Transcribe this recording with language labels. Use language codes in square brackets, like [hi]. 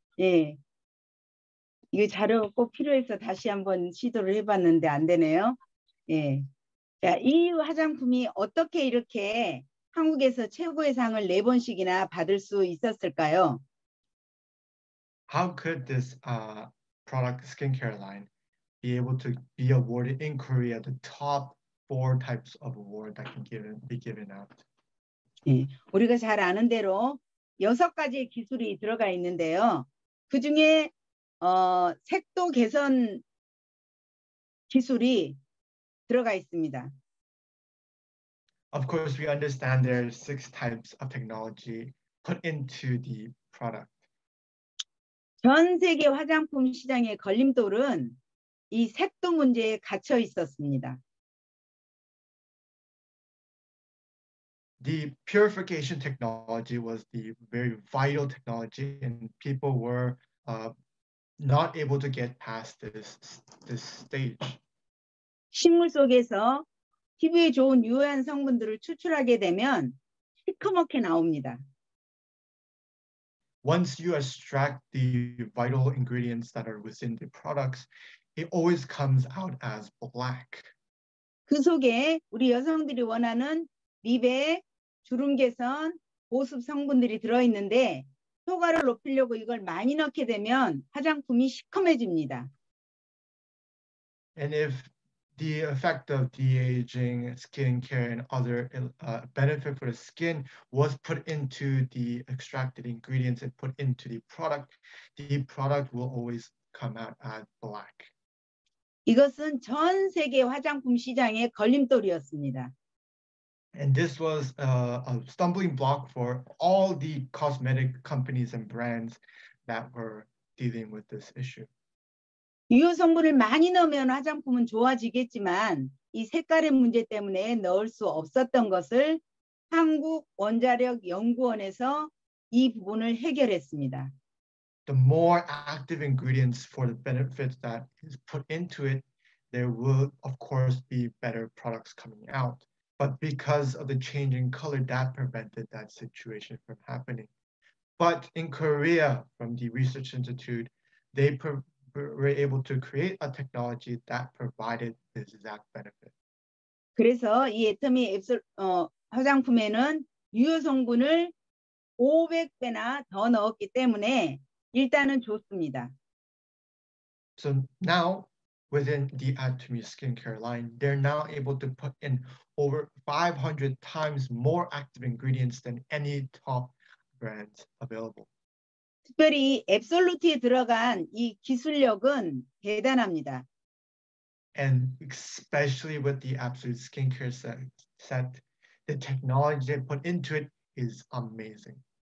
[ko] 예, 이거 자료 꼭 필요해서 다시 한번 시도를 해봤는데 안 되네요. 예, 자, EU 화장품이 어떻게 이렇게 한국에서 최고의 상을 네 번씩이나 받을 수 있었을까요? [en] How could this product skincare line be able to be awarded in Korea the top four types of award that can be given out? [ko] 예, 우리가 잘 아는 대로 여섯 가지의 기술이 들어가 있는데요. 그 중에 색도 개선 기술이 들어가 있습니다. [en] Of course, we understand there are six types of technology put into the product. [ko] 전 세계 화장품 시장의 걸림돌은 이 색도 문제에 갇혀 있었습니다. [en] The purification technology was the very vital technology, and people were not able to get past this stage. [ko] 식물 속에서 피부에 좋은 유해한 성분들을 추출하게 되면 시커멓게 나옵니다. [en] Once you extract the vital ingredients that are within the products, it always comes out as black. [ko] 그 속에 우리 여성들이 원하는 미백 주름 개선, 보습 성분들이 들어있는데 효과를 높이려고 이걸 많이 넣게 되면 화장품이 시커매집니다. [en] And if the effect of de-aging, skin care, and other benefit for the skin was put into the extracted ingredients and put into the product will always come out as black. [ko] 이것은 전 세계 화장품 시장의 걸림돌이었습니다. [en] And this was a stumbling block for all the cosmetic companies and brands that were dealing with this issue. [ko] 유효 성분을 많이 넣으면 화장품은 좋아지겠지만 이 색깔의 문제 때문에 넣을 수 없었던 것을 한국 원자력 연구원에서 이 부분을 해결했습니다. [en] The more active ingredients for the benefits that is put into it, there will of course be better products coming out. But because of the change in color, that prevented that situation from happening. But in Korea, from the research institute, they were able to create a technology that provided this exact benefit. [ko] 그래서 이 애터미 화장품에는 유효 성분을 500배나 더 넣었기 때문에 일단은 좋습니다. [en] So now, within the Atomy skincare line, they're now able to put in over 500 times more active ingredients than any top brands available. [ko] 특별히 앱솔루트에 들어간 이 기술력은 대단합니다. [en] And especially with the Absolute skincare set, the technology they put into it is amazing.